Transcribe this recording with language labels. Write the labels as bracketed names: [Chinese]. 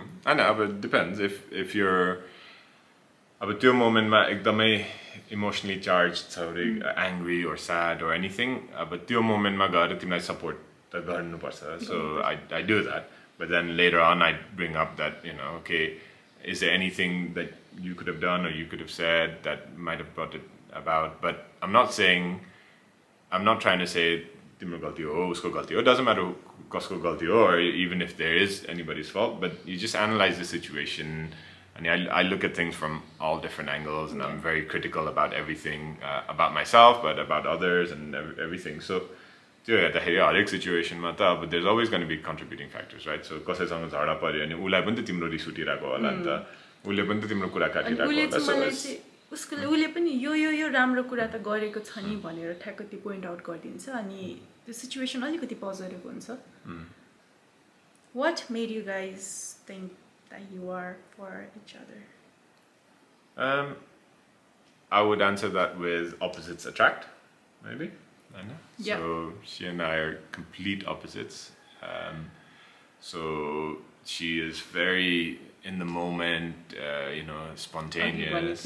[Nepali] अनि अब [English] depends if you [Nepali] अब त्यो मोमेन्टमा एकदमै [English] emotionally charge छ, angry or sad or anything, [Nepali] अब त्यो मोमेन्टमा गएर तिमीलाई सपोर्ट त गर्नुपर्छ. [English] So I do that, but then later on I bring up that, you know, okay, is there anything that you could have done or you could have said that might have brought it about? But I'm not trying to say [Nepali] timro galti ho, usko galti ho, [English] it doesn't matter [Nepali] kasko galti ho, [English] or even if there is anybody's fault, but you just analyze the situation. And I look at things from all different angles, and I'm very critical about everything, about myself, but about others and everything. So situation, but there's always going to be contributing factors, right? [Nepali] So कसैसँग झगडा पऱ्यो अनि उसलाई पनि त तिम्रो रिस उठिरहेको होला नि त, उसले पनि त तिम्रो कुरा काटिरहेको होला, उसले पनि यो राम्रो कुरा त गरेको छ नि भनेर ठ्याक्क त्यो पोइन्ट आउट गरिदिन्छ. अनि त्यो सिचुएसन अलिकति पजिटिभ हुन्छ. [English] What made you guys think that you are for each other? I would answer that with opposites attract, maybe. I know. Yeah. So she and I are complete opposites. So she is very in the moment, spontaneous.